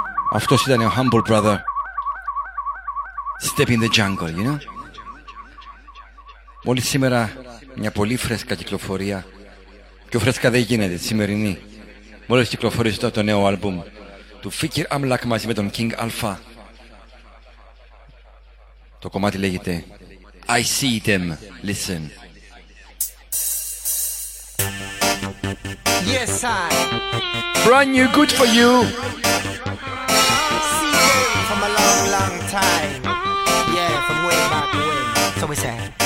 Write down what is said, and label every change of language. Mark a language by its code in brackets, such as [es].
[en] I've got to see that humble brother step in the jungle, you know? [el] Μόλις σήμερα μια πολύ φρέσκα κυκλοφορία. Πιο φρέσκα δεν γίνεται, σημερινή. Μόλις κυκλοφορήσει το νέο άλμπουμ του Fikir Amlak μαζί με τον King Alpha. Το κομμάτι λέγεται I See Them, Listen. [en] Yes, I. Brand new, good for you. See you from a long, long time. Yeah, from way back when. So we say.